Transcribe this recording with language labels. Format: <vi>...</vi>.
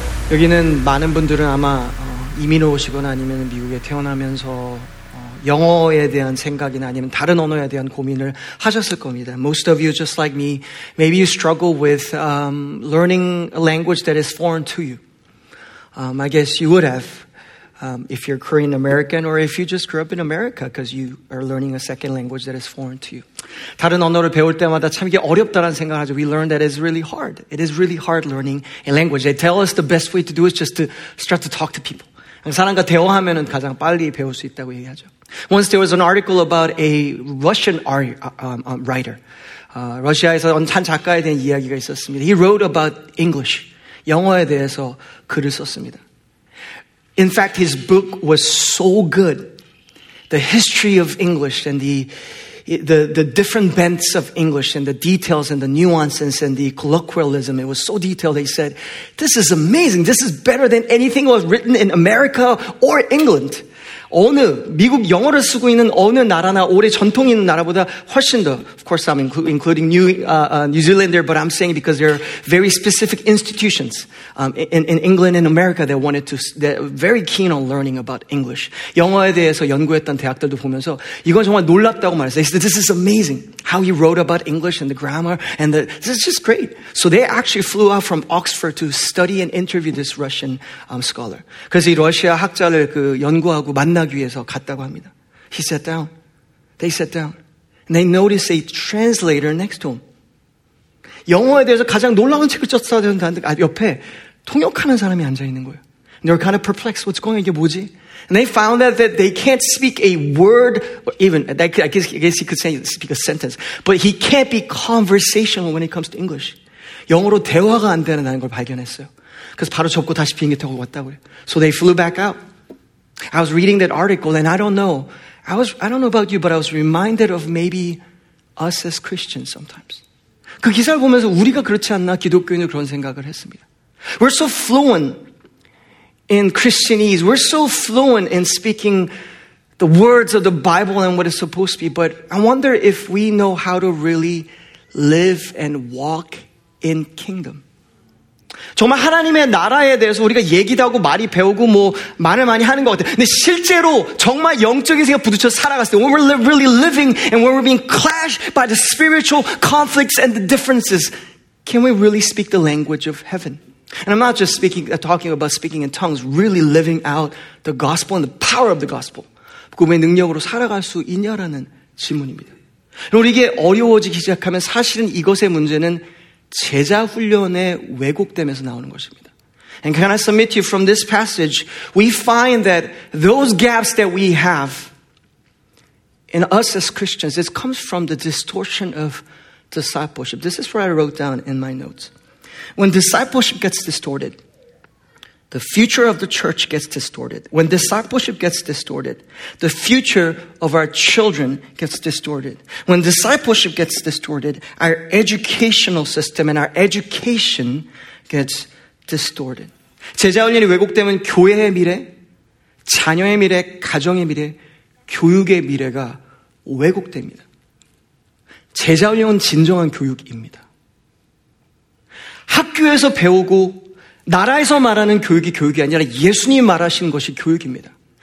<ko>여기는 많은 분들은 아마 이민 오시거나 아니면 미국에 태어나면서 영어에 대한 생각이나 아니면 다른 언어에 대한 고민을 하셨을 겁니다.</ko> <en>Most of you, just like me, maybe you struggle with learning a language that is foreign to you. I guess you would have if you're Korean American or if you just grew up in America because you are learning a second language that is foreign to you.</en> <ko>다른 언어를 배울 때마다 참 이게 어렵다라는 생각을 하죠.</ko> <en>We learn that it's really hard. It is really hard learning a language. They tell us the best way to do it is just to start to talk to people.</en> <ko>사람과 대화하면 가장 빨리 배울 수 있다고 얘기하죠.</ko> <en>Once there was an article about a Russian writer.</en> <ko>러시아에서 한 작가에 대한 이야기가 있었습니다.</ko> <en>He wrote about English.</en> <ko>영어에 대해서 글을 썼습니다.</ko> <en>In fact, his book was so good. The history of English and the different bents of English and the details and the nuances and the colloquialism. It was so detailed. He said, this is amazing. This is better than anything was written in America or England.</en> <ko>어느 미국 영어를 쓰고 있는 어느 나라나 오래 전통 있는 나라보다 훨씬 더</ko> <en>of course I'm including New Zealand there, but I'm saying because there are very specific institutions in England and America that wanted to that are very keen on learning about English.</en> <ko>영어에 대해서 연구했던 대학들도 보면서 이건 정말 놀랍다고 말했어요.</ko> <en>They said, this is amazing how he wrote about English and the grammar and the this is just great. So they actually flew out from Oxford to study and interview this Russian scholar.</en> <ko>그래서 이 러시아 학자를 그 연구하고 만나기 위해서 갔다고 합니다.</ko> <en>He sat down. They sat down. And they noticed a translator next to him.</en> <ko>영어에 대해서 가장 놀라운 책을 썼다는 사람 옆에 통역하는 사람이 앉아 있는 거예요.</ko> <en>And they were kind of perplexed. What's going on?</en> <ko>이게 뭐지?</ko> <en>And they found out that they can't speak a word, or even, I guess he could say speak a sentence, but he can't be conversational when it comes to English.</en> <ko>영어로 대화가 안 된다는 걸 발견했어요. 그래서 바로 접고 다시 비행기 타고 왔다고 해요.</ko> <en>So they flew back out. I was reading that article and I don't know about you, but I was reminded of maybe us as Christians sometimes.</en> <ko>그 기사를 보면서 우리가 그렇지 않나 기독교인의 그런 생각을 했습니다.</ko> <en>We're so fluent in Christianese. We're so fluent in speaking the words of the Bible and what it's supposed to be. But I wonder if we know how to really live and walk in kingdom.</en> <ko>정말 하나님의 나라에 대해서 우리가 얘기도 하고 말이 배우고 뭐 말을 많이 하는 것 같아요. 근데 실제로 정말 영적인 생각 부딪혀 살아갔을 때</ko> <en>when we're really living and when we're being clashed by the spiritual conflicts and the differences, can we really speak the language of heaven? And I'm not just talking about speaking in tongues, really living out the gospel and the power of the gospel.</en> <ko>그 능력으로 살아갈 수 있냐라는 질문입니다. 그리고 이게 어려워지기 시작하면 사실은 이것의 문제는 제자 훈련에 왜곡되면서 나오는 것입니다.</ko> <en>And can I submit to you from this passage, we find that those gaps that we have in us as Christians, it comes from the distortion of discipleship. This is what I wrote down in my notes. When discipleship gets distorted, the future of the church gets distorted. When discipleship gets distorted, the future of our children gets distorted. When discipleship gets distorted, our educational system and our education gets distorted.</en> <ko>제자 훈련이 왜곡되면 교회의 미래, 자녀의 미래, 가정의 미래, 교육의 미래가 왜곡됩니다. 제자 훈련은 진정한 교육입니다. 학교에서 배우고 나라에서 말하는 교육이 교육이 아니라 예수님이 말하신 것이 교육입니다.</ko>